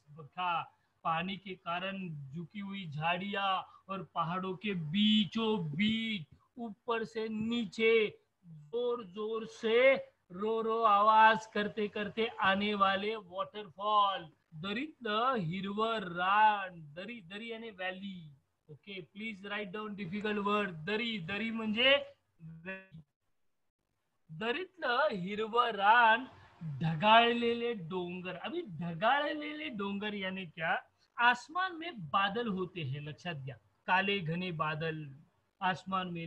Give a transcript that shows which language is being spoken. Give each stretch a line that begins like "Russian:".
Hindi: बघा, पानी के कारण झुकी हुई झाड़िया और पहाड़ों के बीचों बीच ऊपर से नीचे जोर जोर से रो रो आवाज करते करते आने वाले वॉटरफॉल,
Marathi: दरित हिरवर रान,
Hindi: दरी दरी यानी valley.
English: Okay, please write down difficult word.
Marathi: दरी दरी म्हणजे दरित हिरवर रान, ढगाळलेले डोंगर.
Hindi: अभी ढगाळलेले डोंगर यानी क्या, आसमान में बादल होते हैं,
Marathi: लक्षात घ्या,
Hindi: काले घने बादल आसमान में.